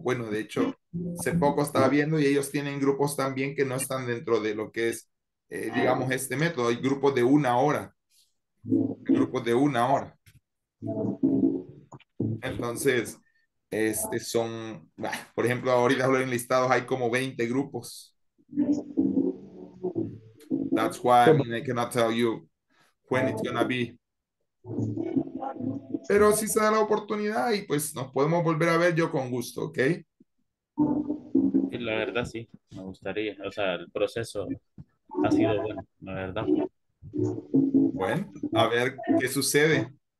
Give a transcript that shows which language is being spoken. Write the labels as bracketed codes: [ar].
[es] Bueno, de hecho, hace poco estaba viendo y ellos tienen grupos también que no están dentro de lo que es, digamos, este método. Hay grupos de una hora. Grupos de una hora. Entonces... son, por ejemplo, ahorita solo en listados hay como 20 grupos. [en] That's why I cannot tell you when it's gonna be. [es] Pero si se da la oportunidad y pues nos podemos volver a ver, yo con gusto, ¿ok? La verdad sí, me gustaría. O sea, el proceso ha sido bueno, la verdad. Bueno, a ver qué sucede.